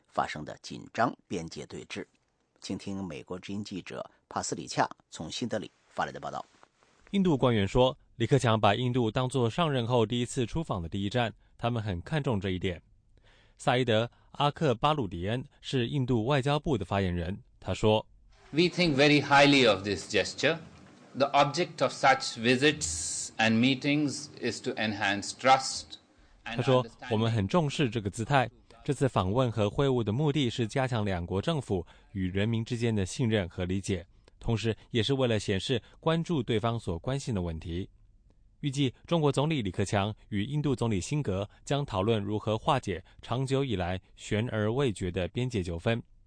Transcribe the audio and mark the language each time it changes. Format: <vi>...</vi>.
<zh>发生的紧张边界对峙。请听美国之音记者帕斯里恰从新德里发来的报道。印度官员说，李克强把印度当作上任后第一次出访的第一站，他们很看重这一点。萨伊德·阿克巴鲁迪恩是印度外交部的发言人，他说</zh> <en>We think very highly of this gesture. The object of such visits and meetings is to enhance trust.</en> <zh>他说，我们很重视这个姿态，这次访问和会晤的目的是加强两国政府与人民之间的信任和理解，同时也是为了显示关注对方所关心的问题。预计中国总理李克强与印度总理辛格将讨论如何化解长久以来悬而未决的边界纠纷。</zh>